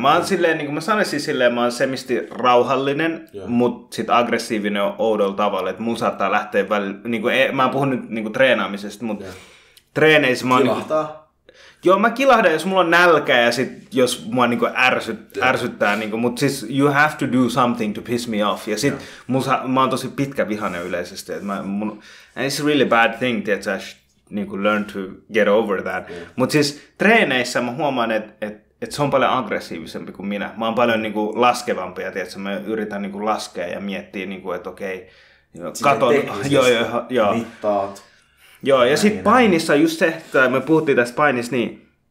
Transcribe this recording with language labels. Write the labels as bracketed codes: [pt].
[fi] Mä oon silleen, niin kuin mä sanoisin silleen, mä oon semisti rauhallinen, mutta sit aggressiivinen oudolla tavalla, että mun saattaa lähteä välillä, niinku, mä puhun nyt niinku treenaamisesta, mutta treeneissä mä oon... Kilahtaa. Joo, mä kilahdan, jos mulla on nälkä ja sit jos mua niinku ärsyttää, niinku, mutta siis [en] you have to do something to piss me off. [fi] Ja sit mä oon tosi pitkä vihanen yleisesti. [en] And it's a really bad thing that I niinku learn to get over that. Yeah. [fi] Mutta siis treeneissä mä huomaan, että se on paljon aggressiivisempi kuin minä. Mä oon paljon niinku laskevampi ja tietysti, mä yritän niinku laskea ja miettiä, niinku, että okei, katon. Joo. Joo, ja sitten painissa just se, että me puhuttiin tästä painissa, niin